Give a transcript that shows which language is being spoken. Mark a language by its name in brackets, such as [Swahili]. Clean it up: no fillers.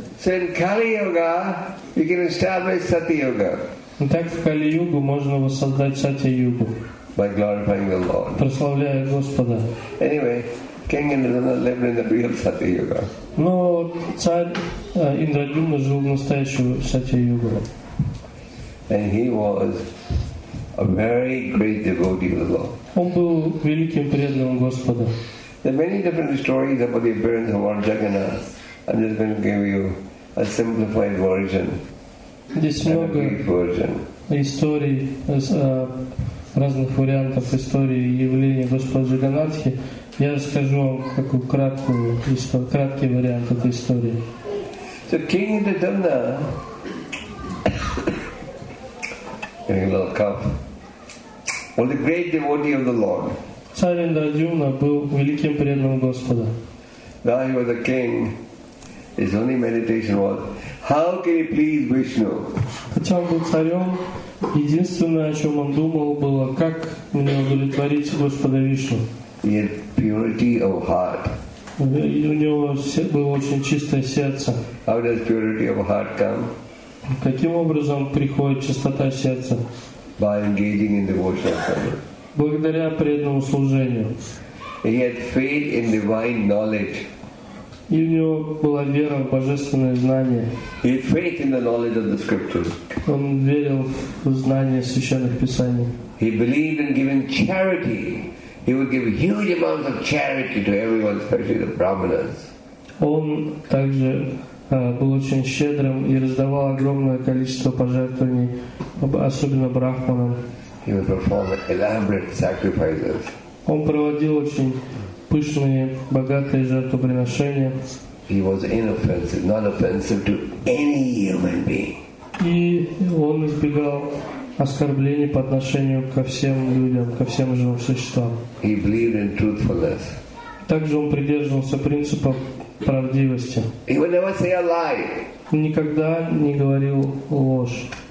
[English] So in Kali-yuga, you can establish Satya-yuga. [Russian] Так в Кали-югу можно воссоздать Сатья-югу. [English] By glorifying the Lord. [Russian] Прославляя Господа. [English] Anyway, King Indradumna lived in the real Satya-yuga. [Russian] Но царь Индрадюмна жил в настоящую Сатья-югу. [English] And he was a very great devotee of the Lord. [Russian] Он был великим преданным Господа. [English] There are many different stories about the appearance of Lord Jagannath. I'm just going to give you a simplified version. [Russian] Здесь много историй, разных вариантов истории явления Господа Джаганнатхи. Я расскажу вам краткий вариант этой истории. [English] So King Indradumna, getting a little cough, was a great devotee of the Lord. [Russian] Царь Индрадюмна был великим преданным Господа. [English] Now he was a king. His only meditation was, how can he please Vishnu? [Russian] Хотя он был царем, единственное, о чем он думал, было, как мне удовлетворить Господа Вишну. [English] He had purity of heart. [Russian] И у него было очень чистое сердце. [English] How does purity of heart come? [Russian] Каким образом приходит чистота сердца? [English] By engaging in devotional service. [Russian] Благодаря преданному служению. [English] He had faith in divine knowledge. [Russian] И у него была вера в божественное знание. [English] He had faith in the knowledge of the scriptures. [Russian] Он верил в знание священных писаний. [English] He believed in giving charity. He would give huge amounts of charity to everyone, especially the brahmanas. [Russian] Он также был очень щедрым и раздавал огромное количество пожертвований, особенно брахманам. [English] He would perform elaborate sacrifices. [Russian] Он проводил очень пышные, богатые жертвоприношения. [English] He was inoffensive, not offensive to any human being. [Russian] И он избегал оскорблений по отношению ко всем людям, ко всем живым существам. [English] He believed in truthfulness. [Russian] Также он придерживался принципа правдивости. [English] He would never say a lie. [Russian] Никогда не говорил ложь.